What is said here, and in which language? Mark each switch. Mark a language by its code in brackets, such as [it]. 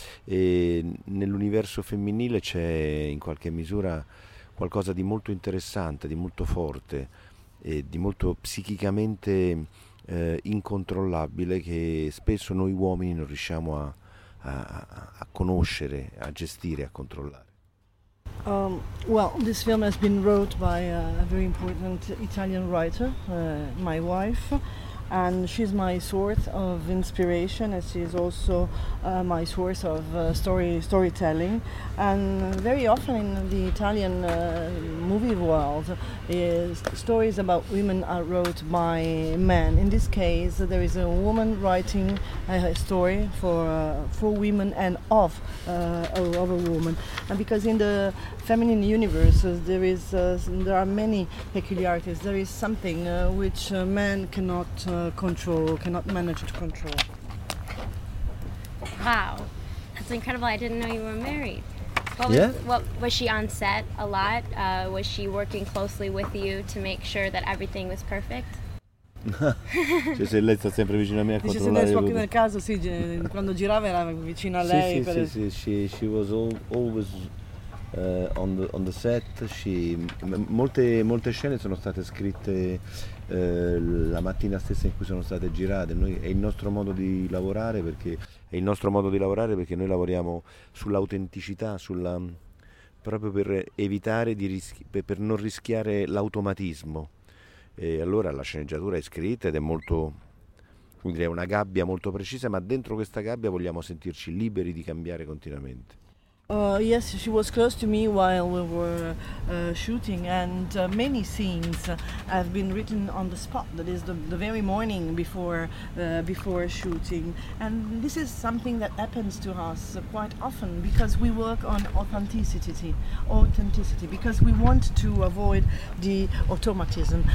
[it] E nell'universo femminile c'è in qualche misura qualcosa di molto interessante, di molto forte e di molto psichicamente incontrollabile, che spesso noi uomini non riusciamo a conoscere, a gestire, a controllare. [en] Well, this film has been wrote by a very important Italian writer, my wife, and she's my source of inspiration, and she's also my source of storytelling. And very often in the Italian movie world, stories about women are wrote by men. In this case, there is a woman writing a story for women and of a woman. And because in the feminine universe, there are many peculiarities. There is something which men cannot control, cannot manage to control. Wow, that's incredible. I didn't know you were married. Was she on set a lot? Was she working closely with you to make sure that everything was perfect? [it] Cioè, se lei sta sempre vicino a me a controllare. Dice, se lei sta nel caso, sì, quando girava era vicino a lei. Sì, sì, sì, [en] she was always on the set. [it] Molte scene sono state scritte la mattina stessa in cui sono state girate. È il nostro modo di lavorare, perché noi lavoriamo sull'autenticità, proprio per evitare per non rischiare l'automatismo. E allora la sceneggiatura è scritta ed è molto, quindi è una gabbia molto precisa, ma dentro questa gabbia vogliamo sentirci liberi di cambiare continuamente. [en] Yes, she was close to me while we were shooting, and many scenes have been written on the spot, that is the very morning before shooting. And this is something that happens to us quite often, because we work on authenticity, because we want to avoid the automatism.